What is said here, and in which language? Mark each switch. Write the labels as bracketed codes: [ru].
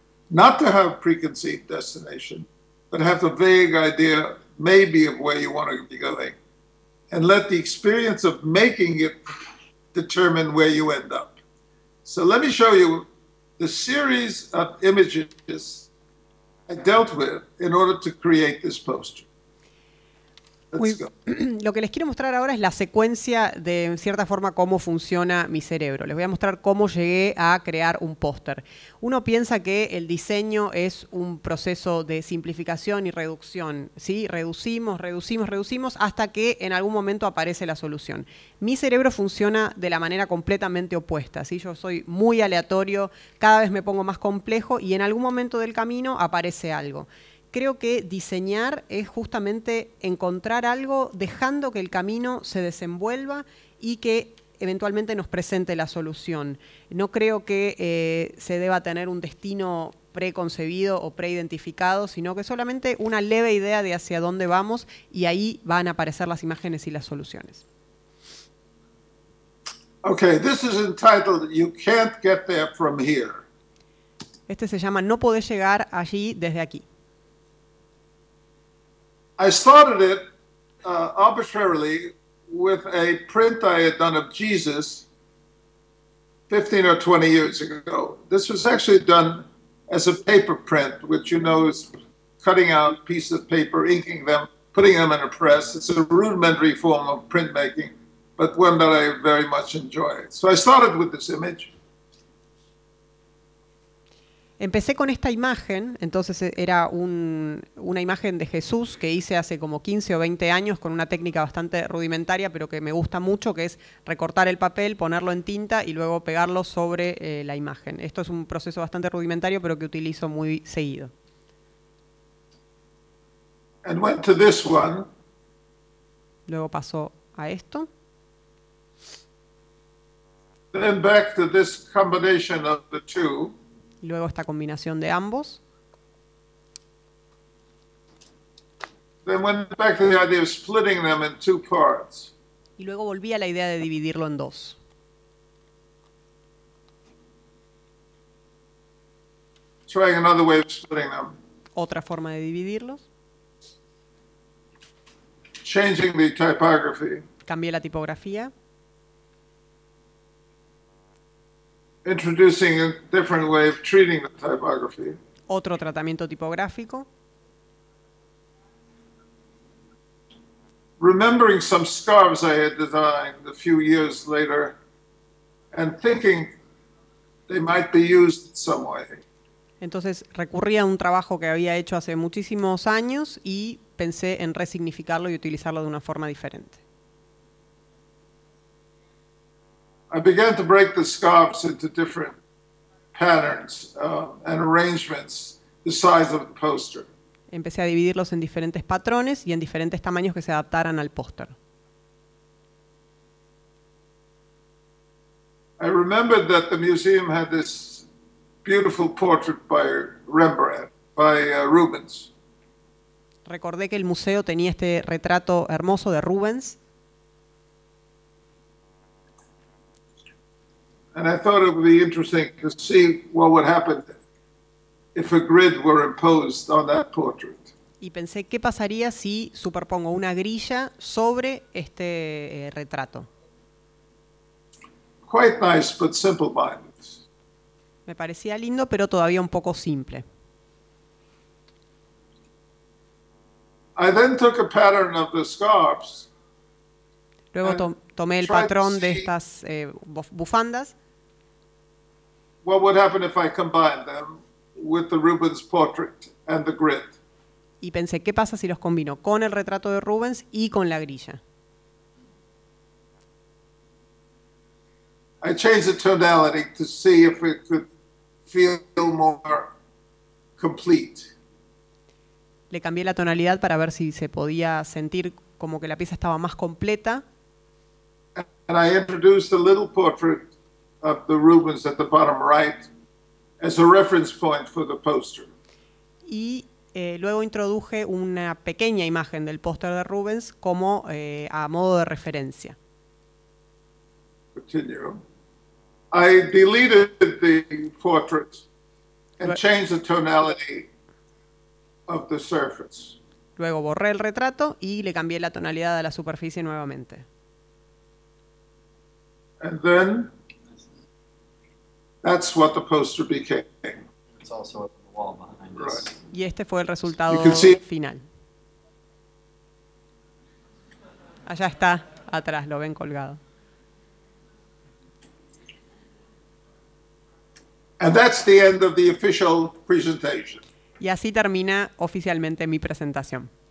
[en] Not to have a preconceived destination, but have a vague idea maybe of where you want to be going, and let the experience of making it determine where you end up. So let me show you the series of images I dealt with in order to create this poster. [es] Lo que les quiero mostrar ahora es la secuencia de, en cierta forma, cómo funciona mi cerebro. Les voy a mostrar cómo llegué a crear un póster. Uno piensa que el diseño es un proceso de simplificación y reducción, ¿sí? Reducimos, reducimos, reducimos, hasta que en algún momento aparece la solución. Mi cerebro funciona de la manera completamente opuesta, ¿sí? Yo soy muy aleatorio, cada vez me pongo más complejo y en algún momento del camino aparece algo. Creo que diseñar es justamente encontrar algo dejando que el camino se desenvuelva y que eventualmente nos presente la solución. No creo que se deba tener un destino preconcebido o preidentificado, sino que solamente una leve idea de hacia dónde vamos y ahí van a aparecer las imágenes y las soluciones. [en] Okay, this is entitled "You Can't Get There From Here". [es] Este se llama "No podés llegar allí desde aquí". [en] I started it arbitrarily with a print I had done of Jesus 15 or 20 years ago. This was actually done as a paper print, which, you know, is cutting out pieces of paper, inking them, putting them in a press. It's a rudimentary form of printmaking, but one that I very much enjoy. So I started with this image. [es] Empecé con esta imagen, entonces era una imagen de Jesús que hice hace como 15 o 20 años con una técnica bastante rudimentaria, pero que me gusta mucho, que es recortar el papel, ponerlo en tinta y luego pegarlo sobre la imagen. Esto es un proceso bastante rudimentario, pero que utilizo muy seguido. [en] And went to this one. [es] Luego pasó a esto. [en] Then back to this combination of the two. [es] Luego esta combinación de ambos. [en] Then went back to the idea of splitting them in two parts. [es] Y luego volví a la idea de dividirlo en dos. [en] Trying another way of splitting them. [es] Otra forma de dividirlos. [en] Changing the typography. [es] Cambié la tipografía. [en] Introducing a different way of treating the typography. [es] Otro tratamiento tipográfico. [en] Remembering some scarves I had designed a few years later and thinking they might be used in some way. [es] Entonces recurrí a un trabajo que había hecho hace muchísimos años y pensé en resignificarlo y utilizarlo de una forma diferente. [en] I began to break the scarves into different patterns and arrangements, the size of the poster. [es] Empecé a dividirlos en diferentes patrones y en diferentes tamaños que se adaptaran al póster. [en] I remembered that the museum had this beautiful portrait by Rembrandt, by Rubens. [es] Recordé que el museo tenía este retrato hermoso de Rubens. [en] And I thought it would be interesting to see what would happen if a grid were imposed on that portrait. [es] Y pensé, ¿qué pasaría si superpongo una grilla sobre este retrato? [en] Quite nice, but simple-minded. [es] Me parecía lindo, pero todavía un poco simple. [en] I then took a pattern of the scarves. [es] Luego tomé el patrón de estas bufandas. [en] What would happen if I combined them with the Rubens portrait and the grid? [es] Y pensé, ¿qué pasa si los combino con el retrato de Rubens y con la grilla? [en] I changed the tonality to see if it could feel more complete. [es] Le cambié la tonalidad para ver si se podía sentir como que la pieza estaba más completa. [en] And I introduced a little portrait of the Rubens at the bottom right as a reference point for the poster. [es] Y luego introduje una pequeña imagen del póster de Rubens como a modo de referencia. [en] Continue. I deleted the portrait and changed the tonality of the surface. [es] Luego borré el retrato y le cambié la tonalidad de la superficie nuevamente. [en] And then that's what the poster became. It's also up on the wall behind us. [es] Y este fue el resultado final. Allá está, atrás, lo ven colgado. [en] And that's the end of the official presentation. [es] Y así termina oficialmente mi presentación.